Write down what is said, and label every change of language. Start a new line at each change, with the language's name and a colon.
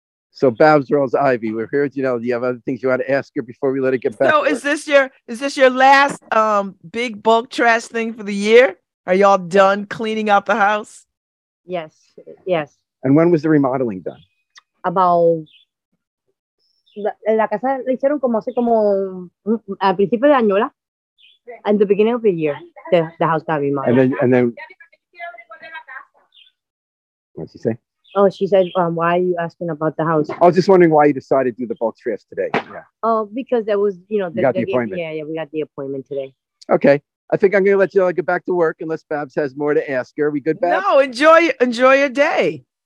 English: So, Babz, Rawls-Ivy, we're here. You know, do you have other things you want to ask her before we let it get back? So, is this your last big bulk trash thing for the year? Are y'all done cleaning out the house? Yes. Yes. And when was the remodeling done?
Spanish: About la casa le hicieron como hace como al principio de año,
English: at the beginning of the year, the house got remodeled. And then. What did she say? Oh, she said, "Why are you asking about the house?" I was just wondering why you decided to do the bulk trash today. Yeah. Oh, because that was, you know, the appointment. Yeah, we got the appointment today. Okay. I think I'm going to let you all get back to work unless Babz has more to ask her. Are we good, Babz? No, enjoy your day.